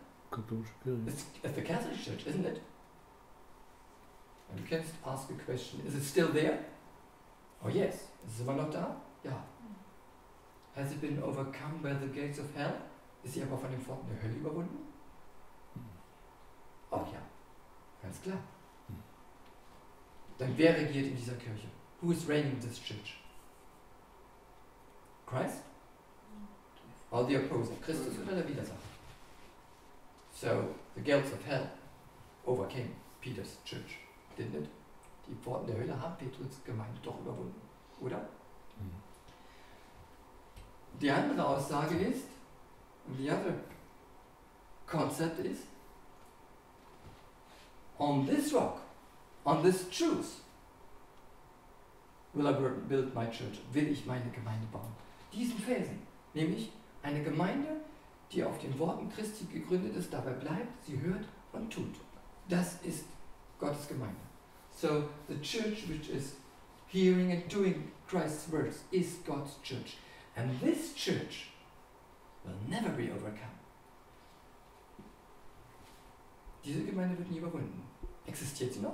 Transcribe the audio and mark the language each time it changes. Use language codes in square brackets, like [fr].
[de] Katholische Kirche. [en] It's the Catholic Church, isn't it? And you can ask a question, is it still there? Oh yes. Is it [de] immer noch da? Ja. [en] Has it been overcome by the gates of hell? [de] Ist sie aber von den Pforten der Hölle überwunden? Oh ja. Ganz klar. Dann wer regiert in dieser Kirche? [en] Who is reigning this church? Christ? Or the opposer? [de] Christus oder der Widersacher? [en] So, the gates of hell overcame Peter's church, didn't it? [de] Die Pforten der Hölle haben Petrus Gemeinde doch überwunden, oder? Die andere Aussage ist, [en] the other concept is, on this rock, on this truth, will I build my church, [de] will ich meine Gemeinde bauen. Diesen Felsen, nämlich eine Gemeinde, die auf den Worten Christi gegründet ist, dabei bleibt, sie hört und tut. Das ist Gottes Gemeinde. [en] So, the church which is hearing and doing Christ's words is God's church. And this church will never be overcome. [de] Diese Gemeinde wird nie überwunden. Existiert sie noch?